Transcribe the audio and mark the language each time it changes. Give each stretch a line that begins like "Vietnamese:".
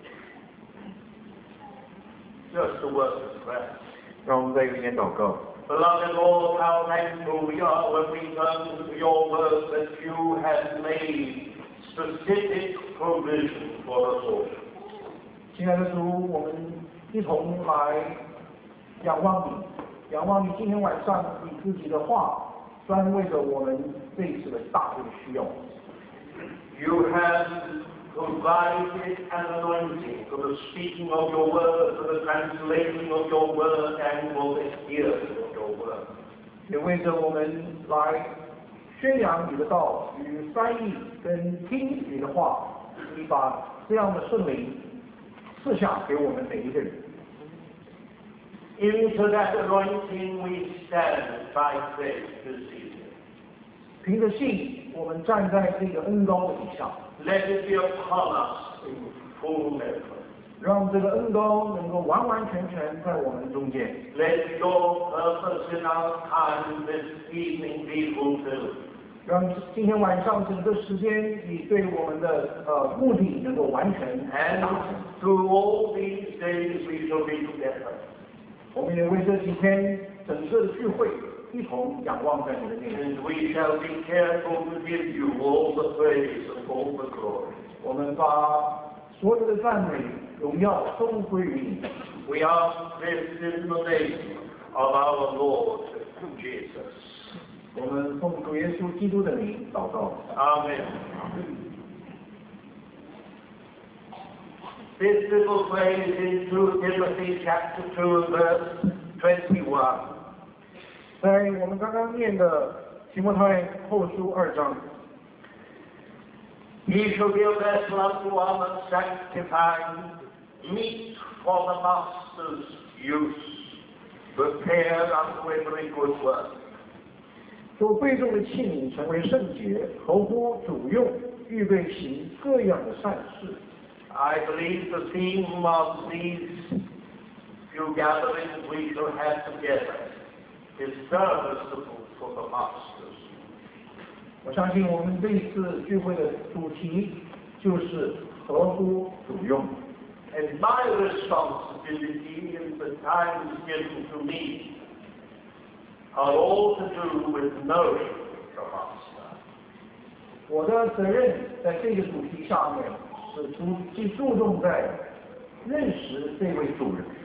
Chinese: 使我认识基督，晓得他复活的大能，并且晓得和他一同受苦，效法他的死。Just
English: a word of prayer.
Chinese: 让我们再一点祷告。
English: Beloved Lord, how thankful we are when we learn your word that you have made. Specific provision for us all.
Chinese: 亲爱的主，我们一同来仰望你，仰望你今天晚上你自己的话，专为着我们这一次的大的需要。
English: You have provided an anointing for the speaking of your word, for the translating of your word, and for the hearing of your word.
Chinese: 你为着我们来宣扬你的道与翻译跟听你的话，你把这样的圣灵赐下给我们每一个人。
English: Into that anointing we stand by faith this evening.
Chinese: 凭着信，我们站在这个恩膏的底下。
English: Let it be upon us in full measure.
Chinese: 让这个恩膏能够完完全全在我们中间。
English: Let your purpose in our time this evening be fulfilled.
Chinese: 让今天晚上整个时间，你对我们的目的能够完全达成。
English: And through all these days we shall be together.
Chinese: 我们也为这几天整个的聚会一同仰望在你的面前。
English: And we shall be careful to give you all the praise and all the glory.
Chinese: 我们把所有的赞美。荣耀终归于你。
English: We ask this in the name of our Lord Jesus.
Chinese: 我们奉主耶稣基督的名祷告。
English: Amen. This little phrase in 2 Timothy chapter 2 verse 21.
Chinese: 在我们刚刚念的提摩太后书二章。
English: He shall be a vessel unto honor, sanctifying. Meet for the master's use, prepared unto every good work.
Chinese: 做贵重的器皿，成为圣洁，合乎主用，预备行各样的善事。
English: I believe the theme of these few gatherings we shall have together is serviceable for the master's.
Chinese: 我相信我们这次聚会的主题就是合乎主用。
English: And my responsibility in the times given to me are all to do with knowing the Master.
Chinese: 我的责任在这个主题上面是既注重在认识这位主人。